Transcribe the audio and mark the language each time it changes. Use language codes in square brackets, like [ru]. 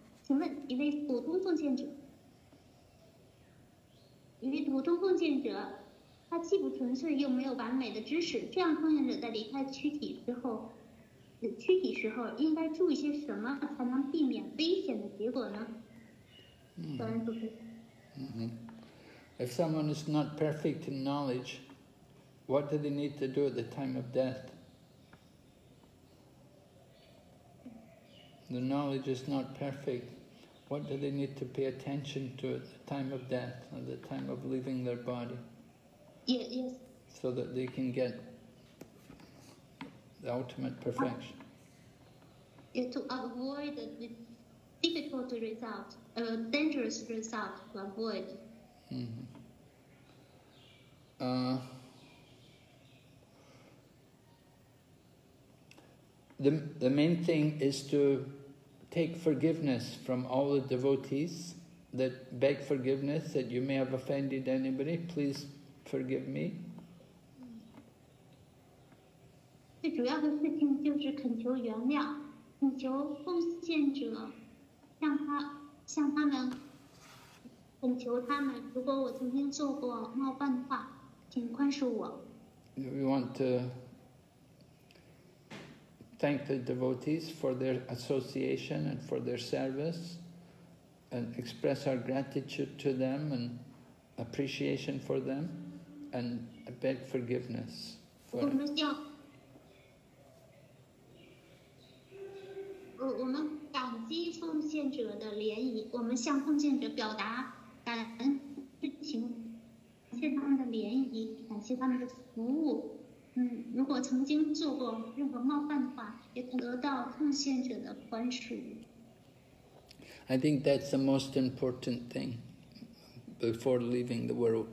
[zh] 请问一位普通奉献者，一位普通奉献者，他既不纯粹又没有完美的知识，这样奉献者在离开躯体时候，应该注意些什么才能避免危险的结果呢？感恩主持人。 [en] If someone is not perfect in knowledge, what do they need to do at the time of death? The knowledge is not perfect. What do they need to pay attention to at the time of death, at the time of leaving their body, Yes. so that they can get the ultimate perfection? To avoid the difficult result, dangerous result to avoid. The main thing is to take forgiveness from all the devotees that beg forgiveness that you may have offended anybody. Please forgive me. [zh] 主要的事情就是恳求原谅，恳求奉献者向他们恳求他们，如果我曾经做过冒犯的话，请宽恕我。 [en] We want to thank the devotees for their association and for their service, and express our gratitude to them and appreciation for them, and beg forgiveness. For [zh] 我们要，我们感激奉献者的怜悯，我们向奉献者表达感恩之情，感谢他们的怜悯，感谢他们的服务。如果曾经做过任何冒犯的话，也可得到奉献者的宽恕。 [en] I think that's the most important thing before leaving the world.